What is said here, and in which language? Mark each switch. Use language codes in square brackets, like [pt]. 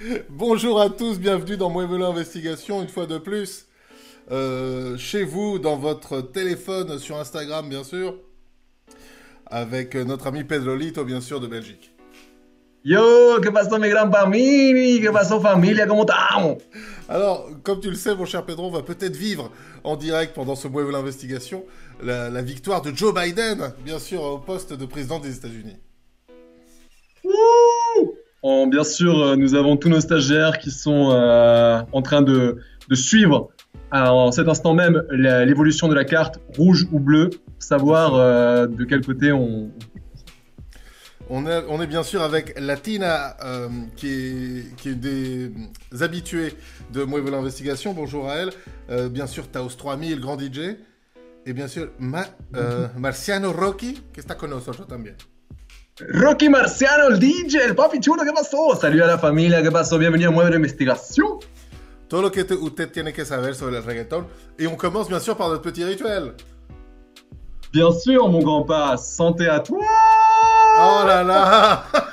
[fr] Bonjour à tous, bienvenue dans Mouvement Investigation, une fois de plus, chez vous, dans votre téléphone, sur Instagram, bien sûr, avec notre ami Pedro Lito, bien sûr, de Belgique. [es] Yo, que pasó mi gran famille? Que pasó familia? ¿Cómo estamos? [fr] Alors, comme tu le sais, mon cher Pedro, on va peut-être vivre en direct pendant ce Mouvement Investigation la victoire de Joe Biden, bien sûr, au poste de président des États-Unis. Oh, bien sûr, nous avons tous nos stagiaires qui sont en train de suivre en cet instant même l'évolution de la carte rouge ou bleue, pour Bien savoir sûr. de quel côté on... On est bien sûr avec Latina, qui est des habitués de Mouvement Investigation. Bonjour à elle. Bien sûr, Taos 3000, grand DJ. Et bien sûr, Marciano Rocky, qui est [es] con nosotros también. [fr] Rocky Marciano, le DJ, le papi chulo, [es] que pasó? [fr] Salut à la famille, [es] que pasó? [fr] Bienvenue à Mueble d'Investigation. Tout ce que vous devez savoir sur le reggaeton. Et on commence bien sûr par notre petit rituel. Bien sûr, mon grand-pa, santé à toi! Oh là là!